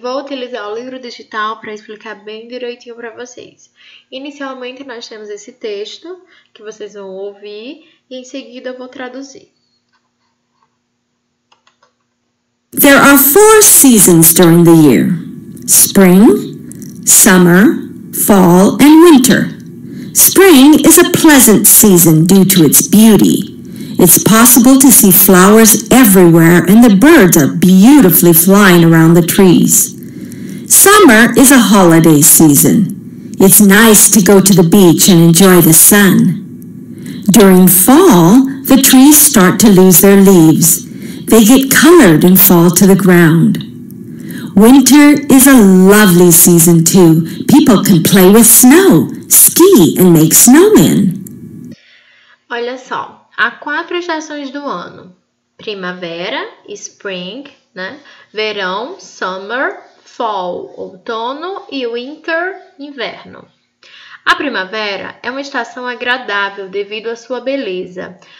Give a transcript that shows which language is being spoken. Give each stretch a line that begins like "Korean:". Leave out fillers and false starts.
Portuguese: Vou utilizar o livro digital para explicar bem direitinho para vocês. Inicialmente, nós temos esse texto que vocês vão ouvir e em seguida eu vou traduzir.
English: There are four seasons during the year: spring, summer, fall, and winter. Spring is a pleasant season due to its beauty. It's possible to see flowers everywhere and the birds are beautifully flying around the trees. Summer is a holiday season. It's nice to go to the beach and enjoy the sun. During fall, the trees start to lose their leaves. They get colored and fall to the ground. Winter is a lovely season too. People can play with snow, ski and make snowmen.
Portuguese: Olha só, há quatro estações do ano: primavera, spring, né? Verão, summer, fall, outono, e winter, inverno. A primavera é uma estação agradável devido à sua beleza.